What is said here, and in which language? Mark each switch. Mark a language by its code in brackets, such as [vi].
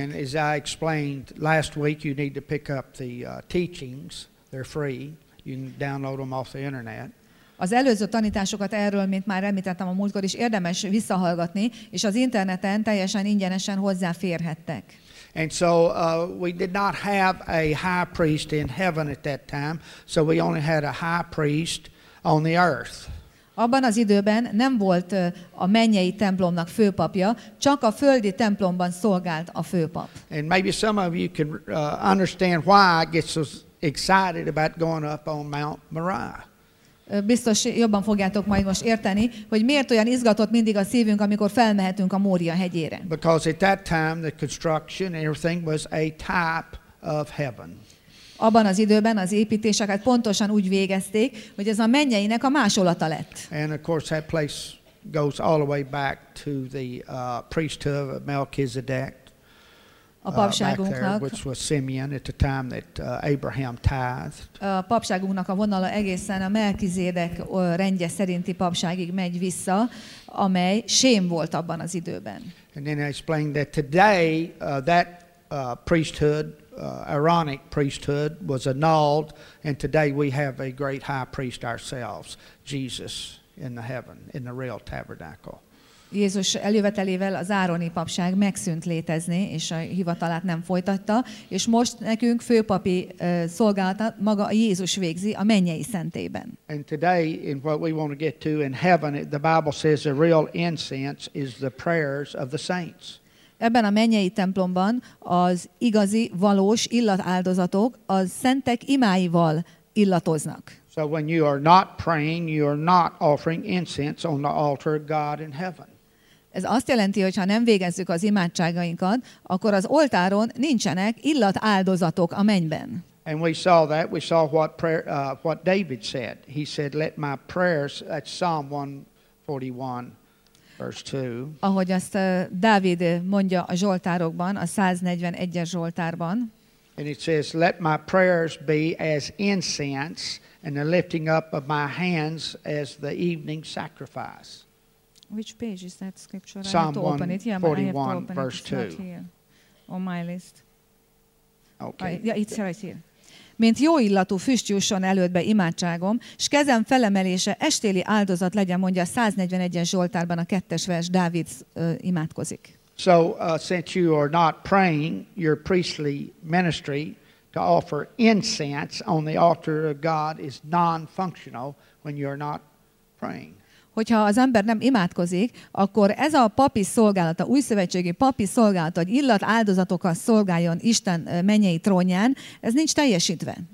[en] And as I explained last week, you need to pick up the teachings. They're free. You can download them off the internet. [hu] Az előző tanításokat erről, mint már említettem a múltkor is, érdemes visszahallgatni, és az interneten teljesen ingyenesen hozzáférhettek. [en] And so we did not have a high priest in heaven at that time, so we only had a high priest on the earth. [hu] Abban az időben nem volt a mennyei templomnak főpapja, csak a földi templomban szolgált a főpap. [en] And maybe some of you can understand why I get so excited about going up on Mount Moriah. [hu] Biztos jobban fogjátok majd most érteni, hogy miért olyan izgatott mindig a szívünk, amikor felmehetünk a Mória hegyére. [en] Because at that time the construction and everything was a type of heaven. [hu] Abban az időben az építéseket pontosan úgy végezték, hogy ez a mennyeinek a másolata lett. [en] And of course that place goes all the way back to the priesthood of Melchizedek. [hu] A papságunknak, [en] which was Simeon at the time that Abraham tithed. [hu] A papságunknak a vonala egészen a Melchizedek rendje szerinti papságig megy vissza, amely Sém volt abban az időben. [en] And then I explained that today that priesthood, Aaronic priesthood was annulled, and today we have a great high priest ourselves, Jesus, in the heaven, in the real tabernacle. [hu] Jézus eljövetelével az ároni papság megszűnt létezni, és a hivatalát nem folytatta, és most nekünk főpapi szolgálatát maga Jézus végzi a mennyei szentében. [en] And today, in what we want to get to in heaven, the Bible says the real incense is the prayers of the saints. [hu] Ebben a mennyei templomban az igazi, valós illatáldozatok a szentek imáival illatoznak. [en] So when you are not praying, you are not offering incense on the altar of God in heaven. [hu] Ez azt jelenti, hogy ha nem végezzük az imádságainkat, akkor az oltáron nincsenek illatáldozatok a mennyben. [en] And we saw that. We saw what prayer, what David said. He said, "Let my prayers." That's Psalm 141. [hu] Ahogy azt Dávid mondja a Zsoltárokban, a 141-es Zsoltárban. [en] And it says, let my prayers be as incense, and the lifting up of my hands as the evening sacrifice. Which page is that scripture? Psalm 141, verse 2. On my list. Okay. Yeah, it's right here. [hu] Mint jó illatú füst jusson előttbe imádságom, s kezem felemelése estéli áldozat legyen, mondja a 141-es Zsoltárban a 2-es vers, Dávid imádkozik. [en] So, since you are not praying, your priestly ministry to offer incense on the altar of God is non-functional when you are not praying. [hu] Hogyha az ember nem imádkozik, akkor ez a papi szolgálata, újszövetségi papi szolgálata, hogy illat áldozatokat szolgáljon Isten mennyei trónján, ez nincs teljesítve.